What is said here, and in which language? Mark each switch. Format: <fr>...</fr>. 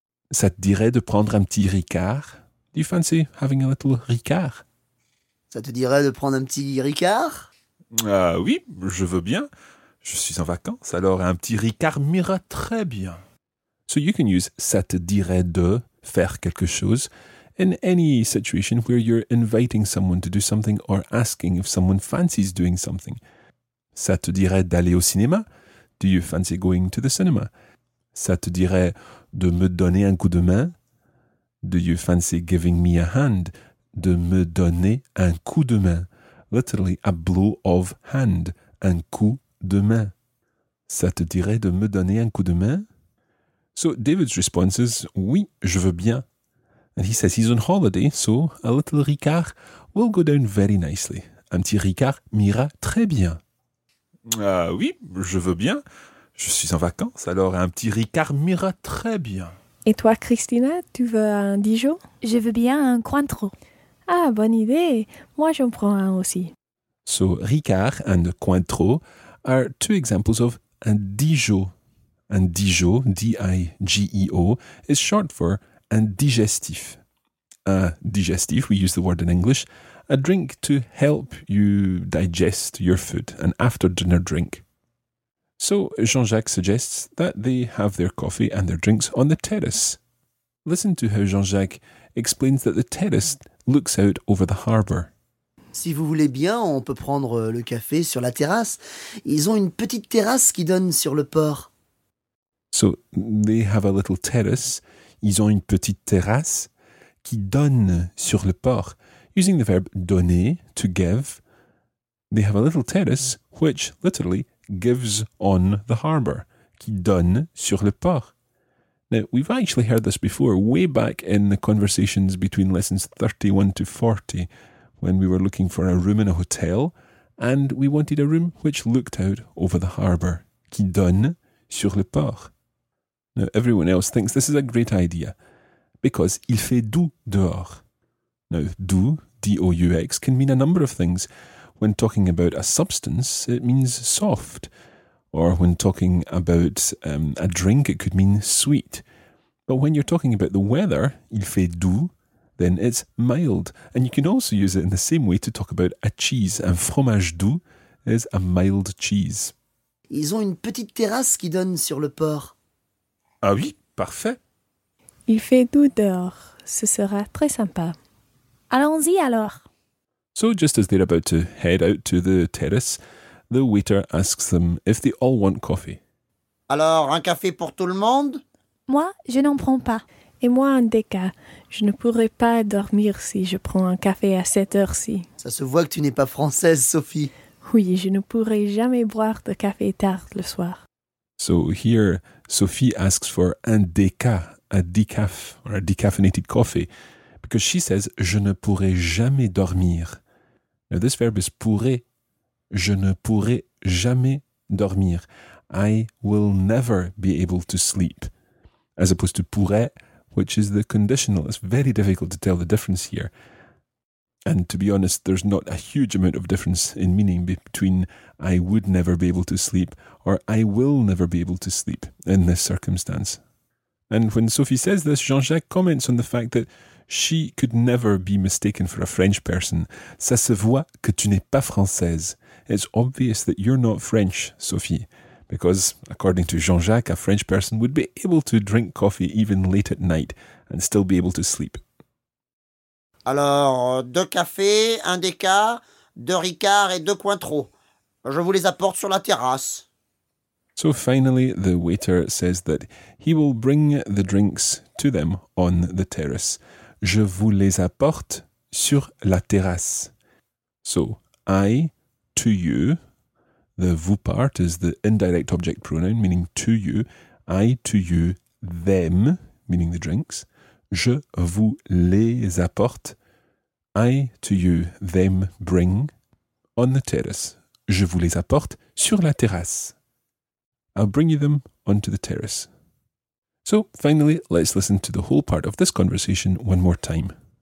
<fr>Ça te dirait de prendre un petit Ricard?</fr> <en>Do you fancy having a little Ricard?</en> <fr>Ça te dirait de prendre un petit Ricard? Oui, je veux bien. Je suis en vacances, alors un petit Ricard m'ira très bien.</fr> <en>So you can use</en> <fr>ça te dirait de faire quelque chose</fr> <en>in any situation where you're inviting someone to do something or asking if someone fancies doing something.</en> <fr>Ça te dirait d'aller au cinéma?</fr> <en>Do you fancy going to the cinema?</en> <fr>Ça te dirait de me donner un coup de main?</fr> <en>Do you fancy giving me a hand?</en> <fr>De me donner un coup de main.</fr> <en>Literally, a blow of hand.</en> <fr>Un coup de main. Ça te dirait de me donner un coup de main?</fr> <en>So David's response is,</en> <fr>oui, je veux bien.</fr> <en>And he says he's on holiday, so a little Ricard will go down very nicely.</en> <fr>Un petit Ricard m'ira très bien. Oui, je veux bien. Je suis en vacances, alors un petit Ricard m'ira très bien. Et toi, Christina, tu veux un Dijon? Je veux bien un Cointreau. Ah, bonne idée. Moi, j'en prends un aussi.</fr> <en>So Ricard and Cointreau are two examples of un Dijon. Un Dijon, D-I-G-E-O, is short for un digestif. A digestif, we use the word in English, a drink to help you digest your food, an after-dinner drink. So Jean-Jacques suggests that they have their coffee and their drinks on the terrace. Listen to how Jean-Jacques explains that the terrace looks out over the harbour.</en> <fr>Si vous voulez bien, on peut prendre le café sur la terrasse. Ils ont une petite terrasse qui donne sur le port.</fr> <en>So they have a little terrace.</en> <fr>Ils ont une petite terrasse qui donne sur le port.</fr> <en>Using the verb donner, to give, they have a little terrace which literally gives on the harbour,</en> <fr>qui donne sur le port.</fr> <en>Now, we've actually heard this before, way back in the conversations between lessons 31 to 40, when we were looking for a room in a hotel, and we wanted a room which looked out over the harbour,</en> <fr>qui donne sur le port.</fr> <en>Now, everyone else thinks this is a great idea, because</en> <fr>il fait doux dehors.</fr> <en>Now, doux, D-O-U-X, can mean a number of things. When talking about a substance, it means soft. Or when talking about a drink, it could mean sweet. But when you're talking about the weather,</en> <fr>il fait doux,</fr> <en>then it's mild. And you can also use it in the same way to talk about a cheese.</en> <fr>Un fromage doux</fr> <en>is a mild cheese.</en> <fr>Ils ont une petite terrasse qui donne sur le port. Ah oui, parfait. Il fait doux dehors. Ce sera très sympa. Allons-y alors.</fr> <en>So just as they're about to head out to the terrace, the waiter asks them if they all want coffee.</en> <fr>Alors, un café pour tout le monde? Moi, je n'en prends pas. Et moi, un déca. Je ne pourrai pas dormir si je prends un café à cette heure-ci. Ça se voit que tu n'es pas française, Sophie. Oui, je ne pourrai jamais boire de café tard le soir.</fr> <en>So here, Sophie asks for</en> <fr>un déca,</fr> <en>a decaf, or a decaffeinated coffee, because she says,</en> <fr>je ne pourrai jamais dormir.</fr> <en>Now this verb is pourrai.</en> <fr>Je ne pourrai jamais dormir.</fr> <en>I will never be able to sleep. As opposed to pourrai, which is the conditional. It's very difficult to tell the difference here. And to be honest, there's not a huge amount of difference in meaning between I would never be able to sleep or I will never be able to sleep in this circumstance. And when Sophie says this, Jean-Jacques comments on the fact that she could never be mistaken for a French person.</en> <fr>Ça se voit que tu n'es pas française.</fr> <en>It's obvious that you're not French, Sophie. Because, according to Jean-Jacques, a French person would be able to drink coffee even late at night and still be able to sleep.</en> <fr>Alors, deux cafés, un déca, deux Ricards et deux Cointreaux. Je vous les apporte sur la terrasse.</fr> <en>So finally, the waiter says that he will bring the drinks to them on the terrace.</en> <fr>Je vous les apporte sur la terrasse.</fr> <en>So, I, to you, the vous part is the indirect object pronoun, meaning to you. I, to you, them, meaning the drinks.</en> <fr>Je vous les apporte.</fr> <en>I, to you, them, bring, on the terrace.</en> <fr>Je vous les apporte sur la terrasse.</fr> <en>I'll bring you them onto the terrace. So, finally, let's listen to the whole part of this conversation one more time.</en>